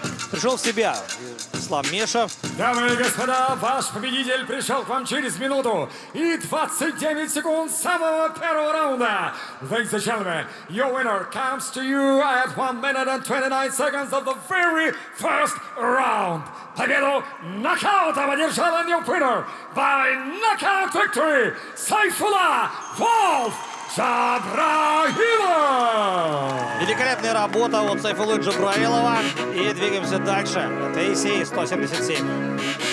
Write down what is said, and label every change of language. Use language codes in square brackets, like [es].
[ru] Пришел в себя Ислам Мешев. Дамы и господа, ваш победитель пришел к вам через минуту и 29 секунд самого первого раунда. [en] Ladies and gentlemen, your winner comes to you at 1 minute and 29 seconds of the very first round. [ru] Победу нокаутом одержала [en] new winner by knockout victory [ru] Сайфулла Волф Джабраилов! Великолепная работа от Сайфуллы Джабраилова. И двигаемся дальше. Это ACA 177.